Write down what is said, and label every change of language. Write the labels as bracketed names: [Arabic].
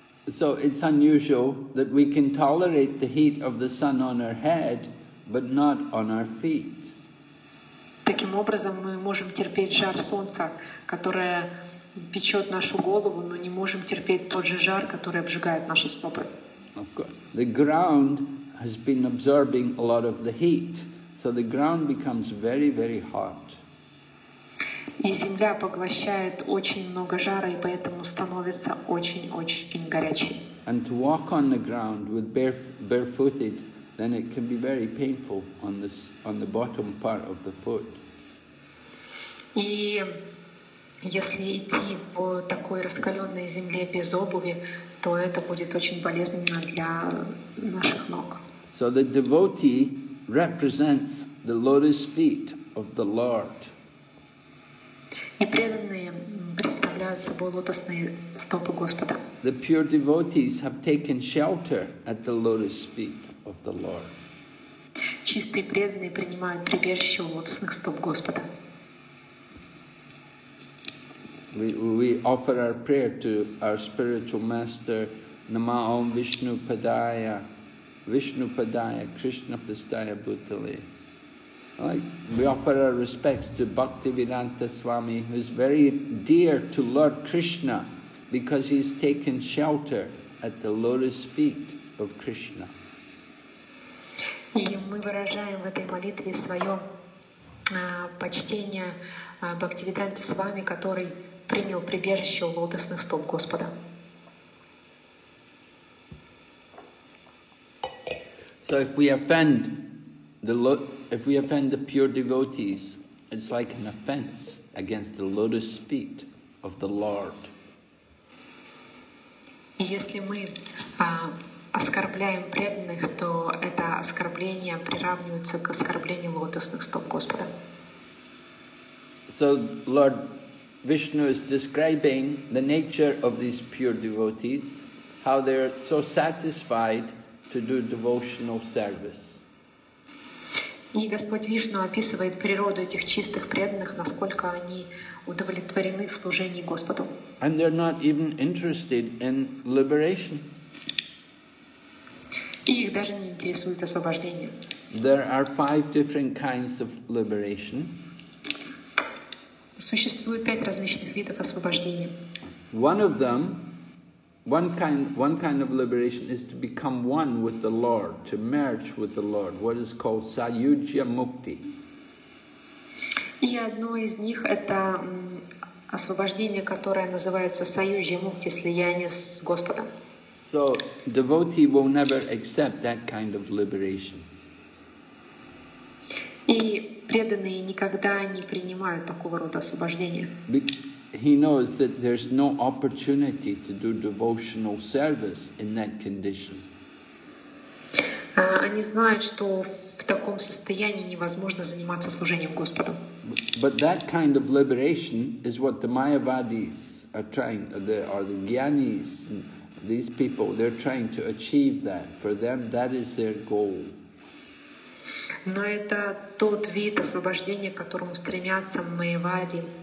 [English] So it's unusual that we can tolerate the heat of the sun on our head, but not on our feet. [Russian] Таким образом, мы можем терпеть жар солнца, которое печет нашу голову, но не можем терпеть тот же жар, который обжигает наши стопы. [English] Of course. The ground has been absorbing a lot of the heat, so the ground becomes very, very hot. [Russian] И земля поглощает очень много жара, и поэтому становится очень-очень горячей. [English] And to walk on the ground with barefooted, then it can be very painful on this, on the bottom part of the foot. [Russian] И если идти по такой раскаленной земле без обуви, то это будет очень болезненно для наших ног. [English] So the devotee represents the lotus feet of the Lord. [Russian] И преданные представляют собой лотосные стопы Господа. [English] The pure devotees have taken shelter at the lotus feet of the Lord. [Russian] Чистые преданные принимают прибежище у лотосных стоп Господа. [English] We offer our prayer to our spiritual master, [Sanskrit] Nama Om Vishnu Padaya, Vishnu Padaya, Krishna Pastaya Bhutale. [English] We offer our respects to Bhaktivedanta Swami, who is very dear to Lord Krishna, because he's taken shelter at the lotus feet of Krishna. [Russian] И мы выражаем в этой молитве свое почтение Бхактивиданте Свами, который принял прибежище у лотосных стоп Господа. [English] So if we offend the pure devotees, it's like an offense against the lotus feet of the Lord. [Russian] Если мы оскорбляем преданных, то это оскорбление приравнивается к оскорблению лотосных стоп Господа. [English] So Lord Vishnu is describing the nature of these pure devotees, how they are so satisfied to do devotional service. [Russian] И Господь Вишну описывает природу этих чистых преданных, насколько они удовлетворены в служении Господу. [English] And they're not even interested in liberation. [Russian] И их даже не интересует освобождение. [English] There are five different kinds of liberation. [Russian] Существует пять различных видов освобождения. [English] One of them, one kind of liberation is to become one with the Lord, to merge with the Lord, what is called Sayujya Mukti. [Russian] И одно из них — это освобождение, которое называется Sayujya Mukti, слияние с Господом. [English] So, devotee will never accept that kind of liberation. [Russian] И преданные никогда не принимают такого рода освобождения. [English] He knows that there's no opportunity to do devotional service in that condition. [Russian] Они знают, что в таком состоянии невозможно заниматься служением Господу. [English] But that kind of liberation is what the Mayavadis are trying, or the Gyanis, these people, they're trying to achieve that. For them, that is their goal. [Russian] Но это тот вид освобождения, к которому стремятся Майявади.